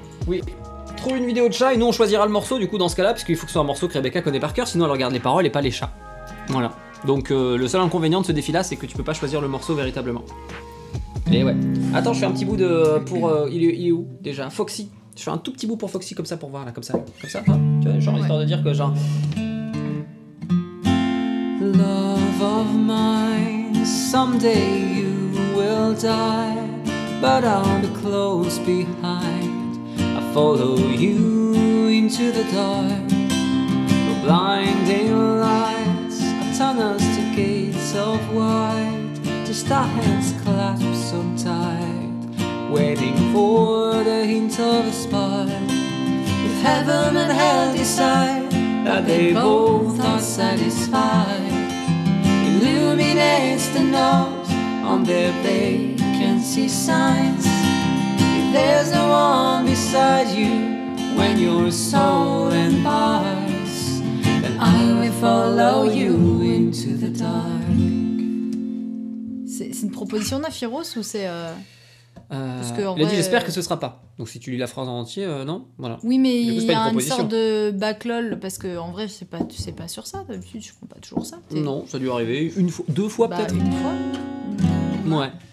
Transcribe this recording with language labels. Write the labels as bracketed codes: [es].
[fr] Oui, trouve une vidéo de chat et nous on choisira le morceau du coup dans ce cas-là, parce qu'il faut que ce soit un morceau que Rebecca connaît par cœur, sinon elle regarde les paroles et pas les chats. Voilà. Donc le seul inconvénient de ce défi-là, c'est que tu peux pas choisir le morceau véritablement. Et ouais. Attends, je fais un petit bout de pour il est où déjà? Foxy. Je fais un tout petit bout pour Foxy comme ça pour voir là, comme ça. Hein, tu vois, genre ouais. Histoire de dire que genre. [en] Love of mine, someday you will die, but I'll be close behind. Follow you into the dark. No blinding lights, a tunnel to gates of white. Just our hands clasp so tight, waiting for the hint of a spark. If heaven and hell decide that they both are satisfied, illuminates the nose on their vacancy signs. There's no one beside you when your soul embarks, and I will follow you into the dark. [fr] C'est une proposition d'Naphiros ou c'est Parce que, en il vrai, a dit j'espère que ce sera pas. Donc si tu lis la phrase en entier, non, voilà. Oui, mais il y a une sorte de backlog parce que en vrai, c'est pas sur ça. D'habitude, je comprends pas toujours ça. T'es... Non, ça a dû arriver une fois, deux fois peut-être. Une fois. Ouais.